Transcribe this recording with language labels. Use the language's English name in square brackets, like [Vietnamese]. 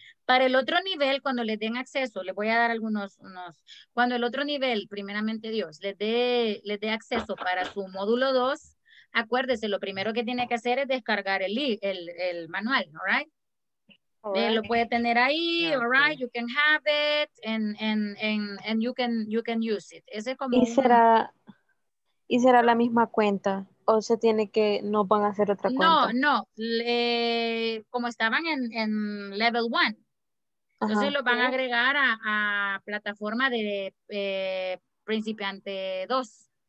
[Spanish] Para el otro nivel, cuando les den acceso, les voy a dar algunos. Cuando el otro nivel, primeramente Dios, les dé acceso para su módulo 2, acuérdese, lo primero que tiene que hacer es descargar el manual, ¿no? [English] Right? [Spanish] Lo puede tener ahí, [English] yeah, all right, okay. You can have it, and you can use it. [Spanish] Ese es como ¿Y será la misma cuenta? ¿O se tiene que, no van a hacer otra cuenta? No, como estaban en level 1, entonces lo van a agregar a plataforma de principiante 2.